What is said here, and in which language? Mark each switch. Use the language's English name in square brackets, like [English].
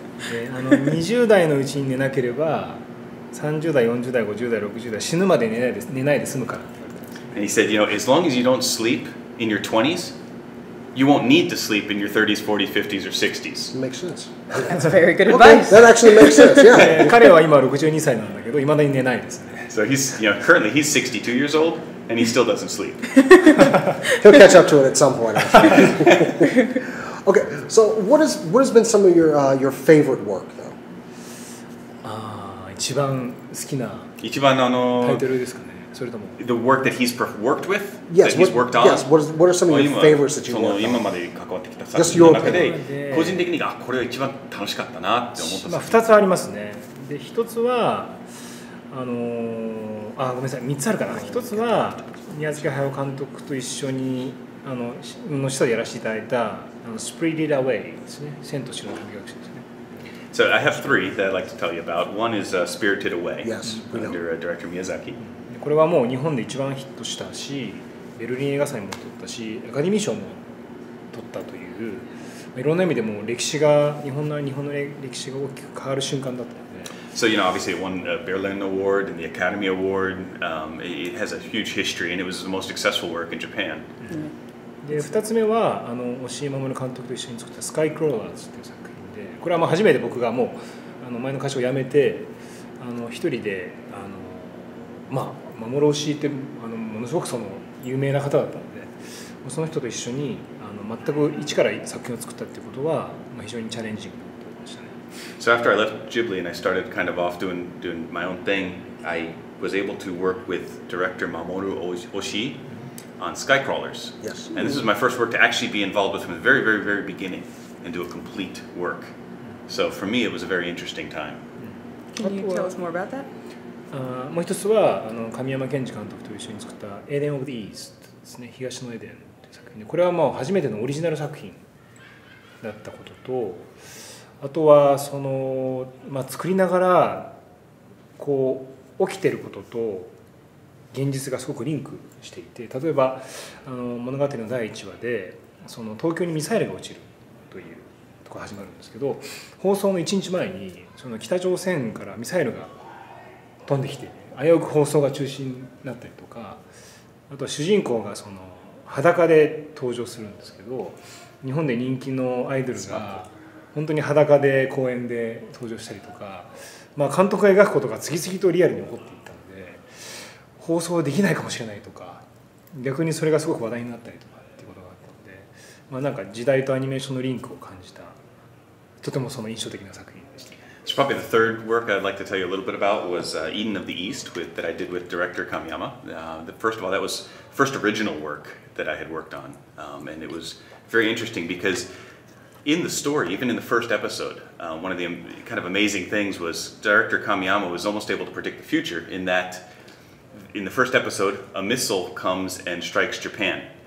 [Japanese] で20代のうちに寝なければ30代40代50代60代死ぬまで寝ないで済むから。 [English] And he said, you know, as long as you don't sleep in your 20s, you won't need to sleep in your 30s, 40s, 50s or 60s. Makes sense. That's very good advice. Okay, that actually makes sense. Yeah. [Japanese] 彼は今62歳なんだけど未だに寝ないですね。 [English] So he's, you know, currently he's 62 years old and he still doesn't sleep. He'll catch up to it at some point. Okay, so what has been some of your favorite work though? [Japanese] 一番好きな一番タイトルですかね。それとも [English] the work that he's worked with? Yes, that he's worked on? Yes, what are some of your favorites that you worked on? [Japanese] 今まで関わってきた作品の中で個人的にこれが一番楽しかったなって思った作品。まあ、2つありますね。で、1つはごめんなさい、3つあるかな。 1つは宮崎駿監督と一緒にの下でやらせていただいたSpirited Away ですね。千と千の神隠しですね。 [English] So I have three that I'd like to tell you about. One is Spirited Away. Yes, under director Miyazaki. [Japanese] これはもう日本で一番ヒットしたし、ベルリン映画祭も取ったし、アカデミー賞も取ったという、いろんな意味でも歴史が日本の歴史が大きく変わる瞬間だったので。 [English] So you know, obviously it won a Berlin Award and the Academy Award. It has a huge history and it was the most successful work in Japan. [Japanese] で2つ目は押井守監督と一緒に作ったスカイクローラーズという作品で、これはまあ初めて僕がもう前の会社を辞めて一人で守押井ってものすごくその有名な方だったので、その人と一緒に全く一から作品を作ったということは、まあ、非常にチャレンジングだったんでしたね。 [English] So after I left Ghibli and I started kind of off doing my own thing, I was able to work with director Mamoru Oshii. On Skycrawlers. Yes. And this is my first work to actually be involved with from the very, very, very beginning and do a complete work. So for me, it was a very interesting time. Can you tell us more about that? [Japanese] もう一つは神山健治監督と一緒に作った Eden of the East ですね、東のエデンという作品で、これはもう初めてのオリジナル作品だったことと、あとはその、まあ、作りながらこう起きてることと現実がすごくリンクしていて、例えば物語の第1話でその東京にミサイルが落ちるというところが始まるんですけど、放送の1日前にその北朝鮮からミサイルが飛んできて危うく放送が中止になったりとか、あとは主人公がその裸で登場するんですけど、日本で人気のアイドルが本当に裸で公園で登場したりとか、まあ、監督が描くことが次々とリアルに起こっていて、放送できないかもしれないとか、逆にそれがすごく話題になったりとかっていうことがあったので、まあ、なんか時代とアニメーションのリンクを感じたとてもその印象的な作品でした。 [English] So probably the third work I'd like to tell you a little bit about was Eden of the East with, that I did with director Kamiyama. The first of all, that was first original work that I had worked on. And it was very interesting because in the story, even in the first episode, one of the kind of amazing things was director Kamiyama was almost able to predict the future in that in the first episode, a missile comes and strikes Japan.